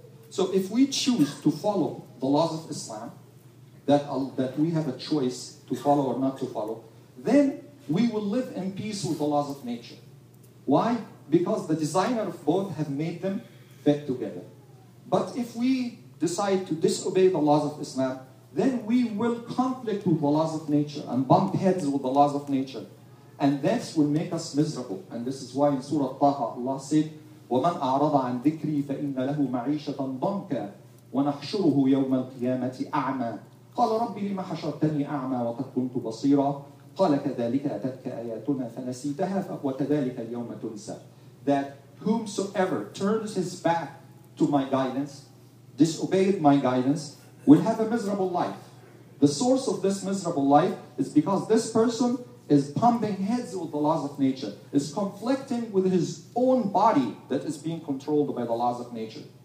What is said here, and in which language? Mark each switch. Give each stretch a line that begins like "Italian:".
English: So if we choose to follow the laws of Islam, that we have a choice to follow or not to follow, then we will live in peace with the laws of nature. Why? Because the designer of both have made them fit together. But if we decide to disobey the laws of Islam, then we will conflict with the laws of nature and bump heads with the laws of nature. And this will make us miserable. And this is why in Surah Taha, Allah said,
Arabic: وَمَنْ أَعْرَضَ عَنْ ذِكْرِي فَإِنَّ لَهُ مَعِيشَةً ضَنْكَ وَنَحْشُرُهُ يَوْمَ الْقِيَامَةِ أَعْمَى قال ربي لما حشرتني أعمى وقد كنت بصيرا قال كذلك أتتك آياتنا فنسيتها وكذلك اليوم تنسى.
English: That whomsoever turns his back to my guidance, disobeyed my guidance, will have a miserable life. The source of this miserable life is because this person is pumping heads with the laws of nature, is conflicting with his own body that is being controlled by the laws of nature.